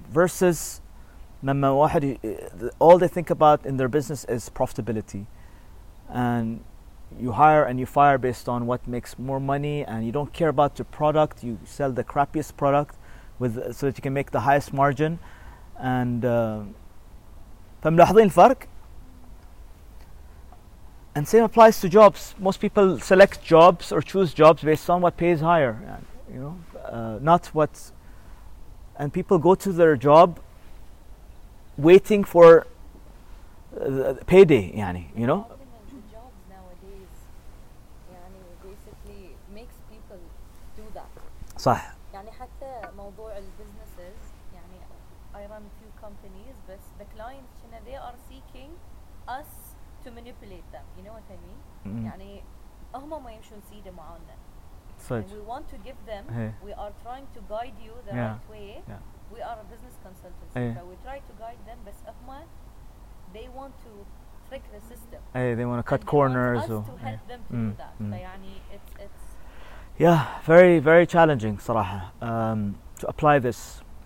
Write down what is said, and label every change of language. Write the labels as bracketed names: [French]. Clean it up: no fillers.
[English] Versus all they think about in their business is profitability, and you hire and you fire based on what makes more money, and you don't care about the product. You sell the crappiest product with so that you can make the highest margin. [Arabic] And فملاحظين الفرق. [English] And same applies to jobs. Most people select jobs or choose jobs based on what pays higher, you know, not what. And people go to their job waiting for payday, يعني, you know? Jobs nowadays, يعني basically makes people do that. [Arabic] صح. يعني حتى موضوع البزنسز, [English] يعني I run a few companies, but the clients, they are seeking us to manipulate them. You know what I mean? [Arabic] يعني هم ما يمشون سيدة معنا. صح. [English] We want to give them, we are trying to guide you the right way. Yeah. We are a business consultant, so we try to guide them, but they want to trick the system. Hey, they want to cut corners. They want us to help them to do that. Mm. It's yeah, very, very challenging, صراحة, to apply this.